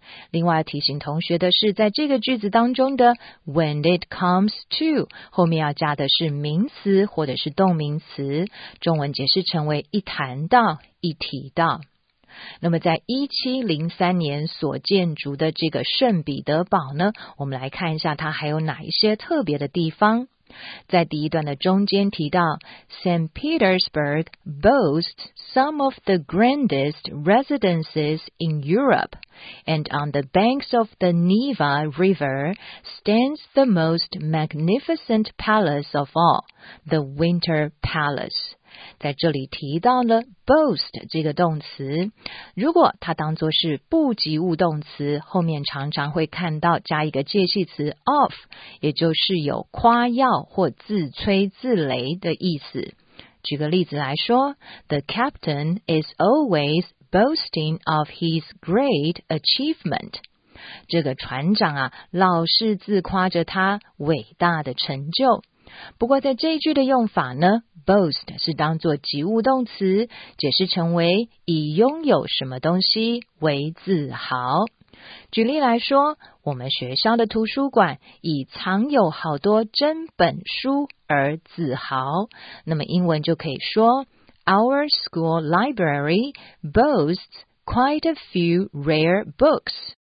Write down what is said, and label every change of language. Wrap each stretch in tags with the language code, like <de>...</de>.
<zh>另外提醒同学的是，在这个句子当中的 when it comes to 后面要加的是名词或者是动名词，中文解释成为一谈到、一提到。那么在1703年所建筑的这个圣彼得堡呢，我们来看一下它还有哪一些特别的地方。在第一段的中间提到 St.</zh> <en>Petersburg boasts some of the grandest residences in Europe and on the banks of the Neva River stands the most magnificent palace of all, the Winter Palace。</en> <zh>在这里提到了 boast 这个动词，如果它当作是不及物动词，后面常常会看到加一个介系词 of， 也就是有夸耀或自吹自擂的意思。举个例子来说，</zh> <en>The captain is always boasting of his great achievement。</en> <zh>这个船长啊，老是自夸着他伟大的成就。不过在这一句的用法呢， boast 是当作及物动词，解释成为以拥有什么东西为自豪。举例来说，我们学校的图书馆以藏有好多珍本书而自豪，那么英文就可以说</zh> <en>Our school library boasts quite a few rare books。</en>